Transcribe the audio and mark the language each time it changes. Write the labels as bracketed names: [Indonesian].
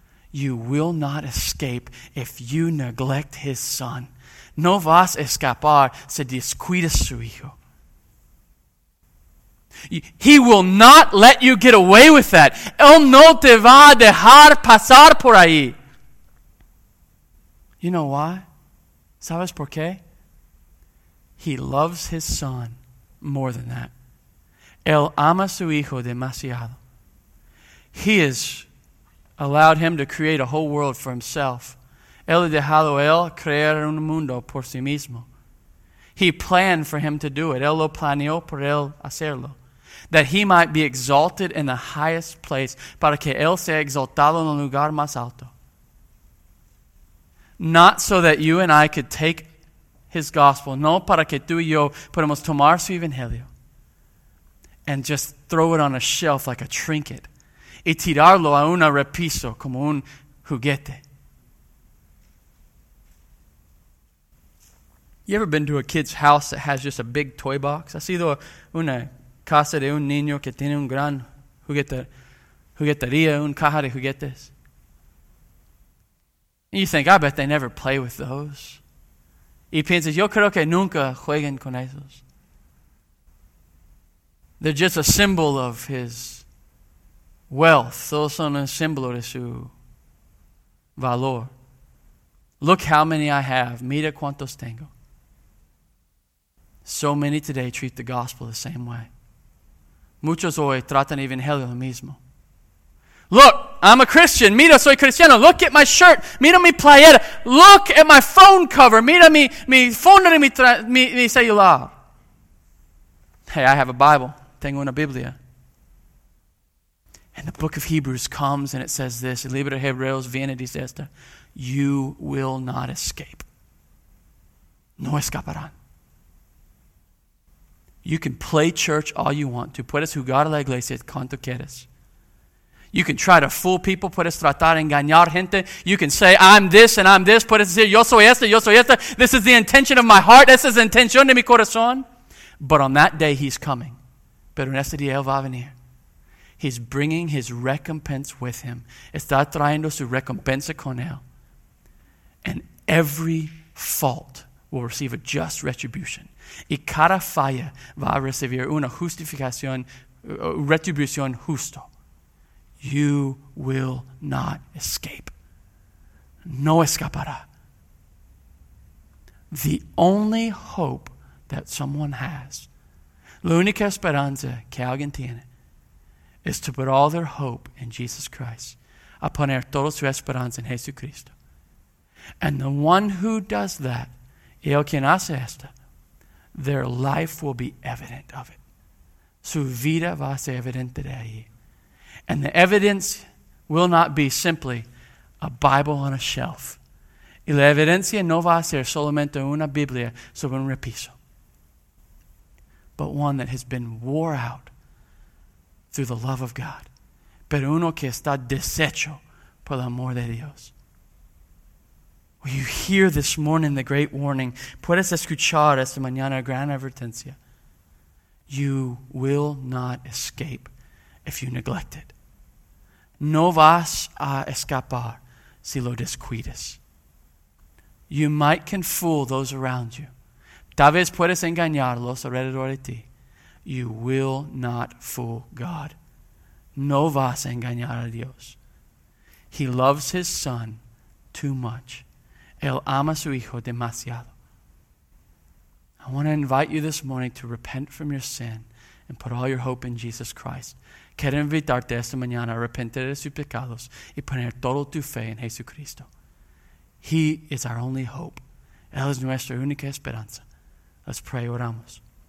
[English] You will not escape if you neglect his son. [Spanish] No vas a escapar si descuidas su hijo. [English] He will not let you get away with that. [Spanish] Él no te va a dejar pasar por ahí. [English] You know why? [Spanish] ¿Sabes por qué? [English] He loves his son more than that. [Spanish] Él ama su hijo demasiado. [English] He has allowed him to create a whole world for himself. [Spanish] Él ha dejado él crear un mundo por sí mismo. [English] He planned for him to do it. [Spanish] Él lo planeó por él hacerlo. [English] That he might be exalted in the highest place, [Spanish] para que él sea exaltado en el lugar más alto. [English] Not so that you and I could take his gospel, [Spanish] no para que tú y yo podamos tomar su evangelio [English] and just throw it on a shelf like a trinket [Spanish] y tirarlo a un repiso como un juguete. [English] You ever been to a kid's house that has just a big toy box? [Spanish] Ha sido una casa de un niño que tiene un gran juguetería, un caja de juguetes. [English] And you think, I bet they never play with those. [Spanish] Y piensas, yo creo que nunca jueguen con esos. [English] They're just a symbol of his wealth. [Spanish] Todos son un símbolo de su valor. [English] Look how many I have. [Spanish] Mira cuántos tengo. [English] So many today treat the gospel the same way. [Spanish] Muchos hoy tratan el evangelio lo mismo. [English] Look, I'm a Christian. [Spanish] Mira, soy cristiano. [English] Look at my shirt. [Spanish] Mira mi playera. [English] Look at my phone cover. [Spanish] Mira mi phone y mi celular. [English] Hey, I have a Bible. [Spanish] Tengo una Biblia. [English] And the book of Hebrews comes and it says this. [Spanish] El libro de Hebreos viene y dice esto. [English] You will not escape. [Spanish] No escaparán. [English] You can play church all you want to. [Spanish] Puedes jugar a la iglesia cuanto quieras. [English] You can try to fool people. [Spanish] Puedes tratar de engañar gente. [English] You can say, I'm this and I'm this. [Spanish] Puedes decir, yo soy este, yo soy este. [English] This is the intention of my heart. This is the intention [Spanish] de mi corazón. [English] But on that day, he's coming. [Spanish] Pero en ese día, él va a venir. [English] He's bringing his recompense with him. [Spanish] Está trayendo su recompensa con él. [English] And every fault will receive a just retribution. [Spanish] Y cada falla va a recibir una justificación, retribución justo. [English] You will not escape. [Spanish] No escapará. [English] The only hope that someone has, [Spanish] la única esperanza que alguien tiene, [English] is to put all their hope in Jesus Christ, [Spanish] a poner toda su esperanza en Jesucristo. [English] And the one who does that, [Spanish] el quien hace esto, [English] their life will be evident of it. [Spanish] Su vida va a ser evidente de ahí. [English] And the evidence will not be simply a Bible on a shelf. [Spanish] Y la evidencia no va a ser solamente una Biblia sobre un repiso. [English] But one that has been wore out through the love of God. [Spanish] Pero uno que está deshecho por el amor de Dios. [English] Will you hear this morning the great warning? [Spanish] Puedes escuchar esta mañana gran advertencia. [English] You will not escape if you neglect it. [Spanish] No vas a escapar si lo descuidas. [English] You might can fool those around you. [Spanish] Tal vez puedes engañarlos alrededor de ti. [English] You will not fool God. [Spanish] No vas a engañar a Dios. [English] He loves his son too much. [Spanish] Él ama su hijo demasiado. [English] I want to invite you this morning to repent from your sin and put all your hope in Jesus Christ. [Spanish] Quiero invitarte esta mañana a arrepentir de sus pecados y poner toda tu fe en Jesucristo. [English] He is our only hope. [Spanish] Él es nuestra única esperanza. [English] Let's pray, [Spanish] oramos.